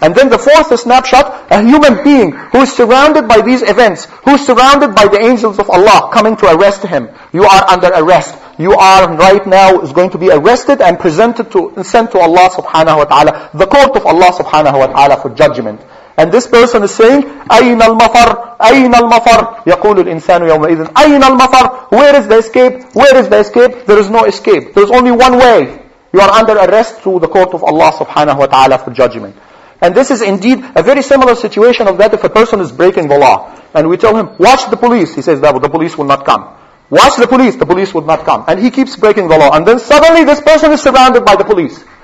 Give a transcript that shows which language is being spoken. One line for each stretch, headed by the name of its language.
English: And then the fourth snapshot, a human being who is surrounded by these events, who is surrounded by the angels of Allah coming to arrest him. You are under arrest. You are right now is going to be arrested and presented to and sent to Allah subhanahu wa ta'ala, the court of Allah subhanahu wa ta'ala for judgment. And this person is saying,
Arabic: أَيْنَ الْمَفَرُ أَيْنَ الْمَفَرُ يَقُولُ الْإِنسَانُ يَوْمَئِذٍ أَيْنَ الْمَفَرُ.
English: Where is the escape? Where is the escape? There is no escape. There is only one way. You are under arrest to the court of Allah subhanahu wa ta'ala for judgment. And this is indeed a very similar situation of that if a person is breaking the law. And we tell him, watch the police. He says that the police will not come. Watch the police would not come. And he keeps breaking the law. And then suddenly this person is surrounded by the police.